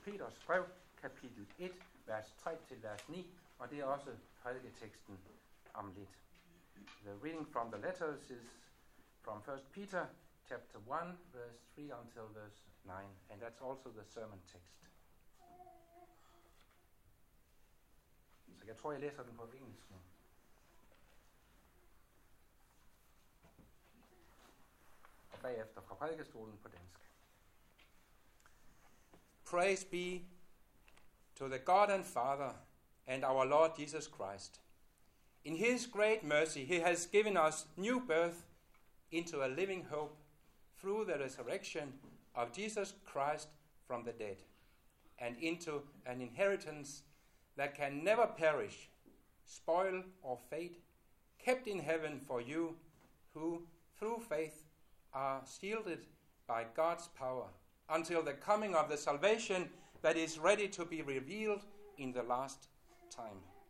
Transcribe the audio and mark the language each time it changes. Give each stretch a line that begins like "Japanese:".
Danish: Peters brev, kapitel 1, vers 3-9, og det er også prædiketeksten om lidt.
English: The reading from the letters is from 1. Peter, chapter 1, verse 3 until verse 9, and that's also the sermon text.
Danish: Så jeg tror, jeg læser den på engelsk nu. Bagefter fra prædikestolen på dansk.
English: Praise be to the God and Father and our Lord Jesus Christ. In his great mercy he has given us new birth into a living hope through the resurrection of Jesus Christ from the dead and into an inheritance that can never perish, spoil or fade, kept in heaven for you who through faith are shielded by God's power until the coming of the salvation that is ready to be revealed in the last time.